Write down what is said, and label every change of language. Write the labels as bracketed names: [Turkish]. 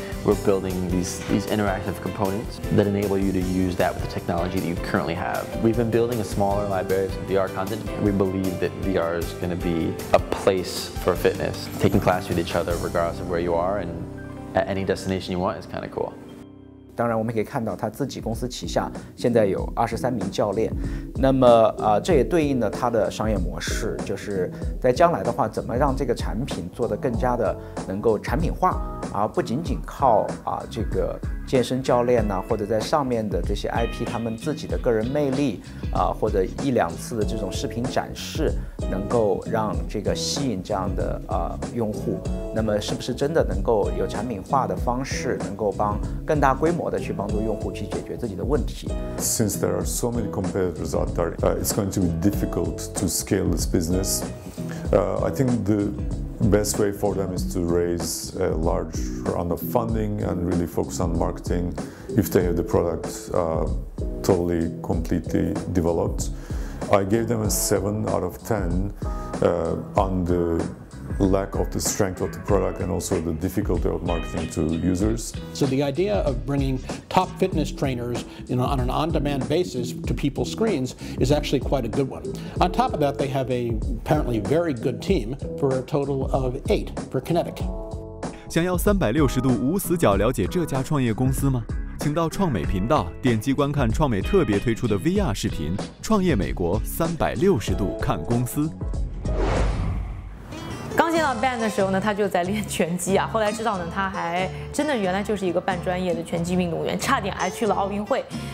[English] We're building these interactive components that enable you to use that with the technology that you currently have. We've been building a smaller library of VR content. We believe that VR is going to be a place for fitness. Taking class with each other regardless of where you are and at any destination you want is kind of cool. [Chinese] 当然我们可以看到他自己公司旗下现在有23名教练，那么这也对应了他的商业模式，就是在将来的话怎么让这个产品做得更加的能够产品化，而不仅仅靠这个健身教练呢，或者在上面的这些 IP 他们自己的个人魅力或者一两次的这种视频展示能够让这个吸引这样的用户，那么是不是真的能够有产品化的方式能够帮更大规模的去帮助用户去解决自己的问题。 [English] Since there are so many competitors out there, it's going to be difficult to scale this business. I think the best way for them is to raise a large round of funding and really focus on marketing if they have the product totally, completely developed. I gave them a 7 out of 10 on the lack of the strength of the product and also the difficulty of marketing to users. So the idea of bringing top fitness trainers on an on-demand basis to people's screens is actually quite a good one. On top of that, they have a apparently very good team for a total of 8 for Qinetic. [Chinese] 想要360度无死角了解这家创业公司吗？请到创美频道点击观看创美特别推出的 VR 视频《创业美国360度看公司》。刚见到 Ben 的时候呢，他就在练拳击啊。后来知道呢，他还真的原来就是一个半专业的拳击运动员，差点还去了奥运会。